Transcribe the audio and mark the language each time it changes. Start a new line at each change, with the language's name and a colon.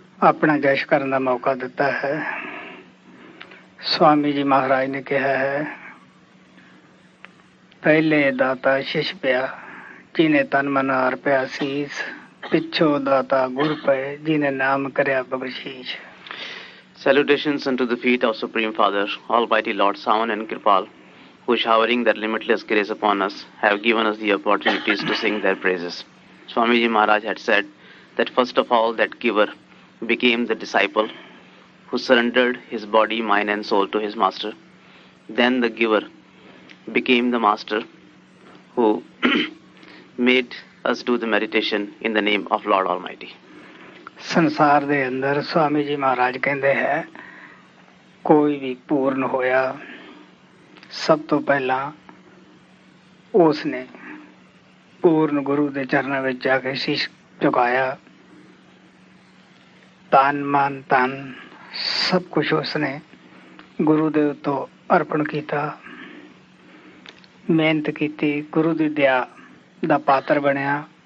Punjabi: ਆਪਣਾ ਜਸ਼ ਕਰਨ ਦਾ ਮੌਕਾ ਦਿੱਤਾ ਹੈ ਸਵਾਮੀ ਜੀ ਮਹਾਰਾਜ ਨੇ ਕਿਹਾ ਹੈ ਪਹਿਲੇ ਦਾਤਾ ਸ਼ਿਸ਼ ਪਿਆ ਜਿਹਨੇ ਤਨ ਮਨ ਅਰਪਿਆ ਸੀਸ ਪਿੱਛੋਂ ਦਾਤਾ ਗੁਰ ਪਏ ਜਿਹਨੇ ਨਾਮ ਕਰਿਆ ਬਖਸ਼ੀਸ਼
English: Salutations unto the feet of Supreme Father, Almighty Lord Savan and Kirpal, who showering their limitless grace upon us, have given us the opportunities to sing their praises. Swamiji Maharaj had said that first of all that giver became the disciple who surrendered his body, mind and soul to his master. Then the giver became the master who made us do the meditation in the name of Lord Almighty.
Punjabi: ਸੰਸਾਰ ਦੇ ਅੰਦਰ ਸਵਾਮੀ ਜੀ ਮਹਾਰਾਜ ਕਹਿੰਦੇ ਹੈ ਕੋਈ ਵੀ ਪੂਰਨ ਹੋਇਆ ਸਭ ਤੋਂ ਪਹਿਲਾਂ ਉਸਨੇ ਪੂਰਨ ਗੁਰੂ ਦੇ ਚਰਨਾਂ ਵਿੱਚ ਜਾ ਕੇ ਸ਼ੀਸ਼ ਝੁਕਾਇਆ ਤਨ ਮਨ ਤਨ ਸਭ ਕੁਛ ਉਸਨੇ ਗੁਰੂ ਦੇ ਉੱਤੋਂ ਅਰਪਣ ਕੀਤਾ ਮਿਹਨਤ ਕੀਤੀ ਗੁਰੂ ਦੀ ਦਇਆ ਦਾ ਪਾਤਰ ਬਣਿਆ